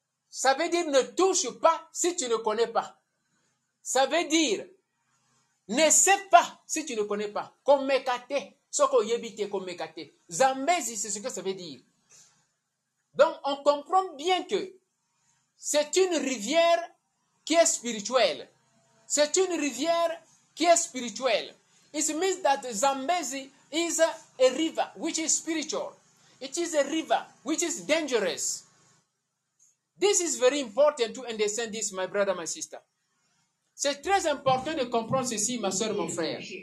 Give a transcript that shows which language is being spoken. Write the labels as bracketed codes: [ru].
[fr] Ça veut dire ne touche pas si tu ne connais pas. Ça veut dire ne sais pas si tu ne connais pas. [ln] Komekate, soko yebite komekate. [fr] Zambezi, c'est ce que ça veut dire. Donc, on comprend bien que c'est une rivière qui est spirituelle. C'est une rivière qui est spirituelle. [en] It means that Zambezi is a river which is spiritual. It is a river which is dangerous. This is very important to understand this, my brother, my sister. [fr] C'est très important de comprendre ceci, ma soeur, mon frère.